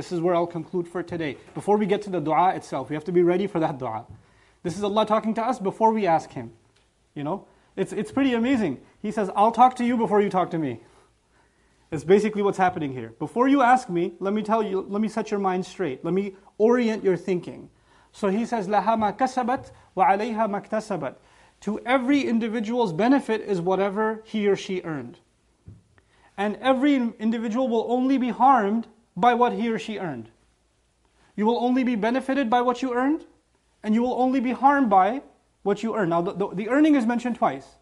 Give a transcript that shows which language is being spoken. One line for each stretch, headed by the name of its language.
English: This is where I'll conclude for today. Before we get to the dua itself, we have to be ready for that dua. This is Allah talking to us before we ask Him. You know, it's pretty amazing. He says, I'll talk to you before you talk to me. It's basically what's happening here. Before you ask me, let me tell you, let me set your mind straight. Let me orient your thinking. So He says,
Arabic: لَهَا مَا كَسَبَتْ وَعَلَيْهَا مَا اكْتَسَبَتْ.
English: To every individual's benefit is whatever he or she earned. And every individual will only be harmed by what he or she earned. You will only be benefited by what you earned, and you will only be harmed by what you earned. Now the earning is mentioned twice.